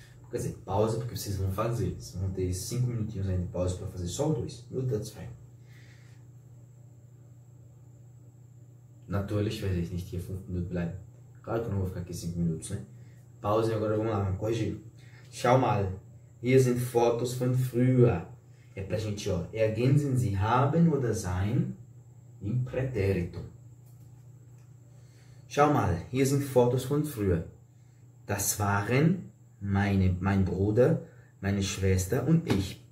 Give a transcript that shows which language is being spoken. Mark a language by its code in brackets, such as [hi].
[pt] Quer dizer, pausa porque vocês vão fazer. Vocês vão ter 5 minutinhos aí de pausa para fazer só o 2. [en] No that's fine. [de] Natürlich werde ich nicht hier 5 Minuten bleiben. [pt] Claro que eu não vou ficar aqui 5 minutos, né? Pausa e agora vamos lá, vamos corrigir. [de] Schau mal, hier sind Fotos von früher. [pt] É pra gente, ó. [de] Ergänzen Sie haben oder sein im Präteritum. Schau mal, hier sind Fotos von früher. Das waren mein Bruder, meine Schwester und ich.